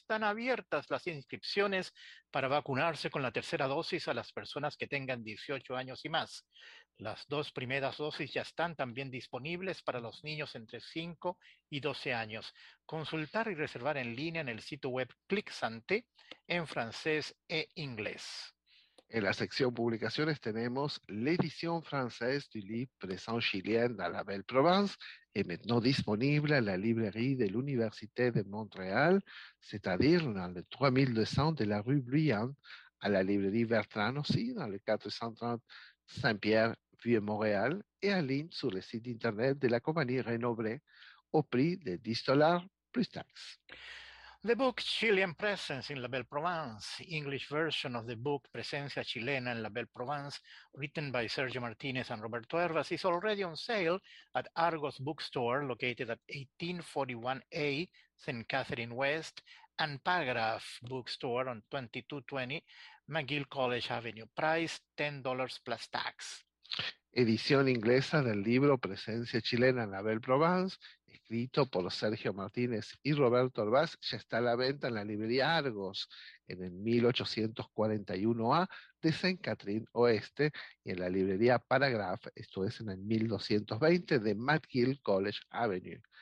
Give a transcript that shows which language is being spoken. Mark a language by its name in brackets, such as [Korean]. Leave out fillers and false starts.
[Spanish] Están abiertas las inscripciones para vacunarse con la tercera dosis a las personas que tengan 18 años y más. Las dos primeras dosis ya están también disponibles para los niños entre 5 y 12 años. Consultar y reservar en línea en el sitio web Clic Santé en francés e inglés. En la sección publicaciones tenemos [French] L'édition française du livre Présent Chilien dans la Belle Provence est maintenant disponible à la librairie de l'Université de Montréal, c'est-à-dire dans le 3200 de la rue Bruyante, à la librairie Bertrand aussi, dans le 430 Saint-Pierre, Vieux-Montréal, et en ligne sur le site internet de la compagnie Renoblet au prix de 10 dollars plus taxes. [English] The book Chilean Presence in La Belle Provence, English version of the book Presencia Chilena en La Belle Provence, written by Sergio Martinez and Roberto Hervas, is already on sale at Argos Bookstore, located at 1841A St. Catherine West, and Paragraph Bookstore on 2220 McGill College Avenue. Price $10 plus tax. [Spanish] Edición inglesa del libro Presencia Chilena en La Belle Provence, escrito por Sergio Martínez y Roberto Orbaz, ya está a la venta en la librería Argos, en el 1841A de Saint-Catherine Oeste, y en la librería Paragraph, esto es en el 1220 de McGill College Avenue.